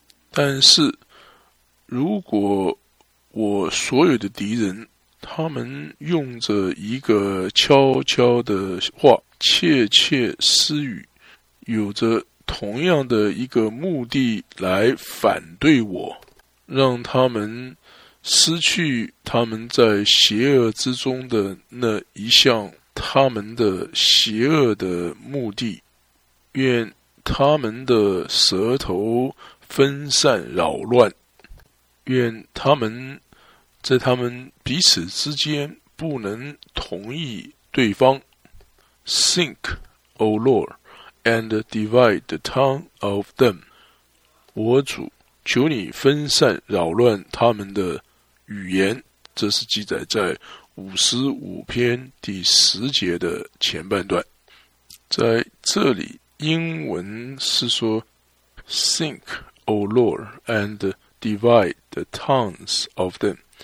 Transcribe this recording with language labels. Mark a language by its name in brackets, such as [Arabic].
[Chinese] 但是如果我所有的敌人他们用着一个悄悄的话窃窃私语，有着同样的一个目的来反对我，让他们失去他们在邪恶之中的那一项他们的邪恶的目的，愿他们的舌头分散扰乱，愿他们在他们彼此之间不能同意对方。 [English] Sink, O Lord, and divide the tongue of them. [Chinese] 我主，求你分散扰乱他们的语言。这是记载在 55篇第10节的前半段。在这里英文是说 [English] Sink, O Lord, and divide the tongues of them。